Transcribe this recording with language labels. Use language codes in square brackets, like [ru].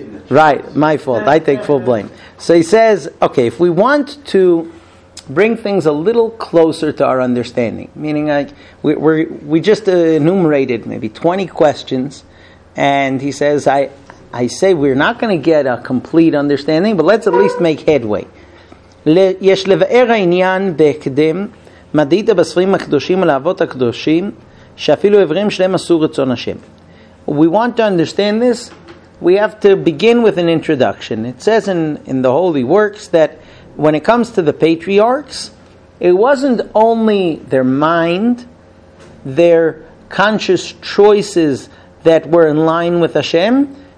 [en] Right, my fault. I take full blame. So he says, okay, if we want to bring things a little closer to our understanding, meaning like we just enumerated maybe 20 questions, and he says, I say we're not going to get a complete understanding, but let's at least make headway. [he] יש לבאר העניין בהקדם, מדיד בספרים הקדושים על האבות הקדושים, שאפילו עברים שלהם עשו רצון השם. [en] We want to understand this. We have to begin with an introduction. It says in the Holy Works that when it comes to the patriarchs, it wasn't only their mind, their conscious choices that were in line with Hashem.